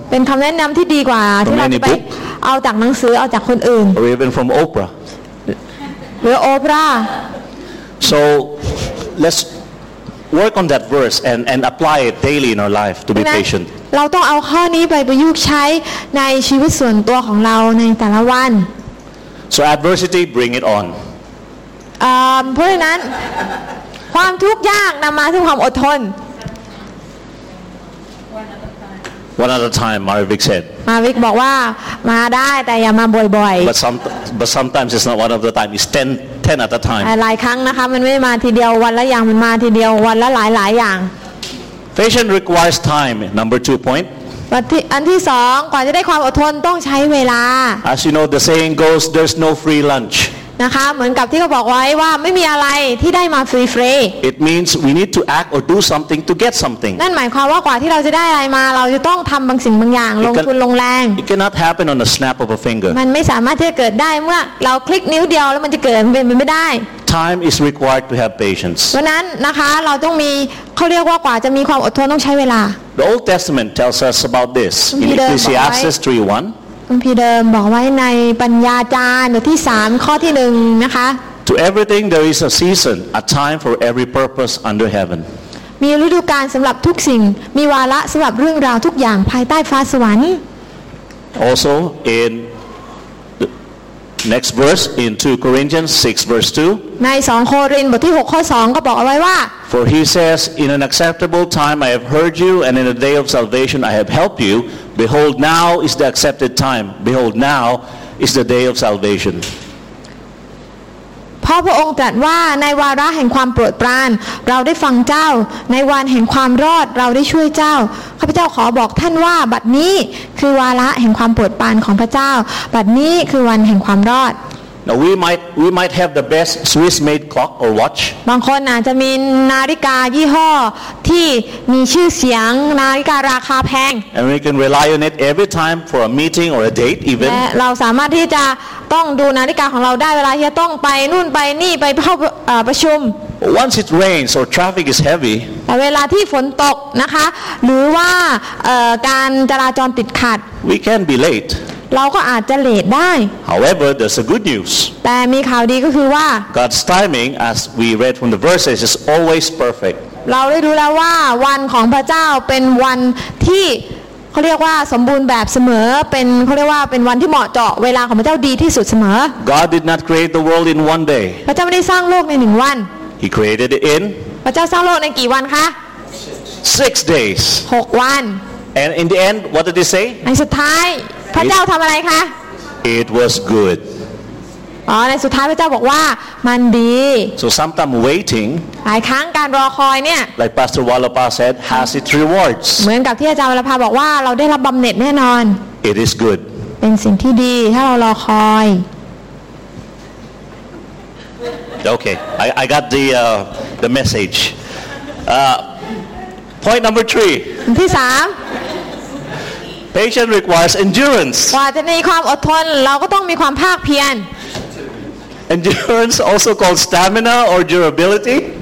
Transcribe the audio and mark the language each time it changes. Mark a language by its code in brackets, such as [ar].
[th] เป็นคำแนะนำที่ดีกว่าที่เราไปเอาจากหนังสือเอาจากคนอื่น [en] Or even from Oprah [th] หรือ Oprah [en] So let'sWork on that verse and apply it daily in our life to be patient. [th] เราต้องเอาข้อนี้ไปประยุกต์ใช้ในชีวิตส่วนตัวของเราในแต่ละวัน [en] So adversity bring it on. [th] เพราะฉะนั้นความทุกข์ยากนำมาซึ่งความอดทน [en] One other time, Marivic said. [th] Marivic บอกว่ามาได้แต่อย่ามาบ่อยๆ [en] But sometimes it's not one of the time. It's ten. 10 at a time. [th] หลายครั้งนะคะมันไม่มาทีเดียววันละอย่างมันมาทีเดียววันละหลายๆอย่าง [en] Patience requires time number 2 point [th] อันที่2กว่าจะได้ความอดทนต้องใช้เวลา [en] As you know the saying goes there's no free lunch [th] นะคะเหมือนกับที่เขาบอกไว้ว่าไม่มีอะไรที่ได้มาฟรี [en] ๆ It means we need to act or do something to get something [th] นั่นหมายความว่ากว่าที่เราจะได้อะไรมาเราจะต้องทำบางสิ่งบางอย่างลงทุนลงแรง [en] It cannot happen on the snap of a finger [th] มันไม่สามารถที่จะเกิดได้เมื่อเราคลิกนิ้วเดียวแล้วมันจะเกิดเป็นไปไม่ได้ [en] Time is required to have patience [th] เพราะนั้นนะคะเราต้องมีเขาเรียกว่ากว่าจะมีความอดทนต้องใช้เวลา [en] The Old Testament tells us about this in Ecclesiastes 3:1 [th] คุณพี่เดิมบอกไว้ในปัญญาจารย์บทที่3ข้อที่1นะคะ [en] To everything there is a season a time for every purpose under heaven [th] มีฤดูกาลสำหรับทุกสิ่งมีวาระสำหรับเรื่องราวทุกอย่างภายใต้ฟ้าสวรรค์ [en] Also in the next verse in 2 Corinthians 6 verse 2 [th] ใน2โครินธ์บทที่6ข้อ2ก็บอกเอาไว้ว่า [en] For he says in an acceptable time I have heard you and in a day of salvation I have helped youBehold, now is the accepted time. Behold, now is the day of salvation. [th] พอพระองค์ตรัสว่าในวาระแห่งความโปรดปรานเราได้ฟังเจ้าในวันแห่งความรอดเราได้ช่วยเจ้าข้าพเจ้าขอบอกท่านว่าบัดนี้คือวาระแห่งความโปรดปรานของพระเจ้าบัดนี้คือวันแห่งความรอด [en] Now we might have the best Swiss made clock or watch. [th] บางคนอาจจะมีนาฬิกายี่ห้อที่มีชื่อเสียงนาฬิการาคาแพง [en] And we can rely on it every time for a meeting or a date even [th] และเราสามารถที่จะต้องดูนาฬิกาของเราได้เวลาที่จะต้องไปนู่นไปนี่ไปเข้าประชุม [en] Once it rains or traffic is heavy [th] แต่เวลาที่ฝนตกนะคะหรือว่าการจราจรติดขัด [en] We can be late [th] เราก็อาจจะเลทได้ [en] However there's a good news [th] แต่มีข่าวดีก็คือว่า [en] God's timing as we read from the verses is always perfect [th] เราได้รู้แล้วว่าวันของพระเจ้าเป็นวันที่เขาเรียกว่าสมบูรณ์แบบเสมอเป็นเขาเรียกว่าเป็นวันที่เหมาะเจาะเวลาของพระเจ้าดีที่สุดเสมอ [en] God did not create the world in one day [th] พระเจ้าไม่ได้สร้างโลกในหนึ่งวัน [en] He created it in [th] พระเจ้าสร้างโลกในกี่วันคะ [en] Six days [th] หกวัน [en] And in the end what did he say [th] ในสุดท้ายพระเจ้าทำอะไรคะ [en] It was good [th] อ๋อในสุดท้ายพระเจ้าบอกว่ามันดี [en] so sometimes waiting [th] หลายครั้งการรอคอยเนี่ย [en] like Pastor Walapa said has its rewards [th] เหมือนกับที่อาจารย์วรภาบอกว่าเราได้รับบำเหน็จแน่นอน [en] it is good [th] เป็นสิ่งที่ดีถ้าเรารอคอย [en] okay I got the message point number 3 [th] ที่3 [en] Patience requires endurance. [th] กว่าจะมีความอดทนเราก็ต้องมีความภาคเพียร [en] Endurance also called stamina or durability.